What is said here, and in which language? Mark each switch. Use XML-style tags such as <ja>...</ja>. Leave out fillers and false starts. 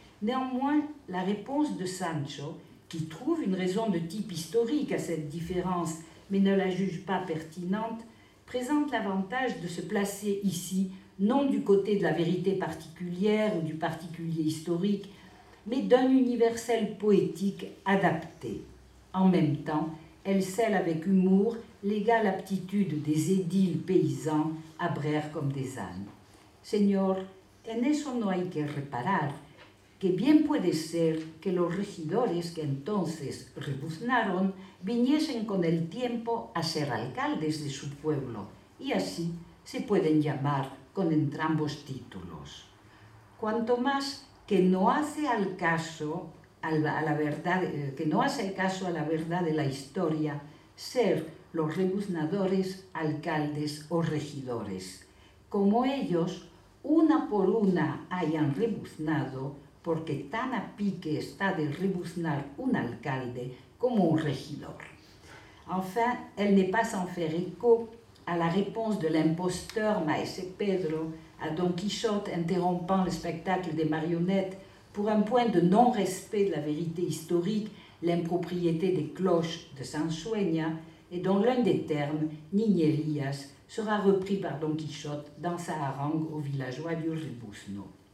<fr>Néanmoins, la réponse de Sancho, qui trouve une raison de type historique à cette différence, mais ne la juge pas pertinente, présente l'avantage de se placer ici, non du côté de la vérité particulière ou du particulier historique, mais d'un universel poétique adapté. En même temps, elle scelle avec humour l'égale aptitude des édiles paysans à braire comme des ânes.</fr> <es>« Señor, en eso no hay que reparar, que bien puede ser que los regidores que entonces rebuznaron viniesen con el tiempo a ser alcaldes de su pueblo, y así se pueden llamar con entrambos títulos. Cuanto más que no hace al caso a la verdad, que no hace el caso a la verdad de la historia ser los rebuznadores alcaldes o regidores, como ellos una por una hayan rebuznado, porque tan a pique está de rebuznar un alcalde como un regidor.</es> <fr>Enfin, elle n'est pas sans faire écho à la réponse de l'imposteur Maese Pedro à Don Quichotte interrompant le spectacle des marionnettes pour un point de non-respect de la vérité historique, l'impropriété des cloches de Sansueña, et dont l'un des termes, Niñerías, sera repris par Don Quichotte dans sa harangue au villageois du Ribusno.</fr>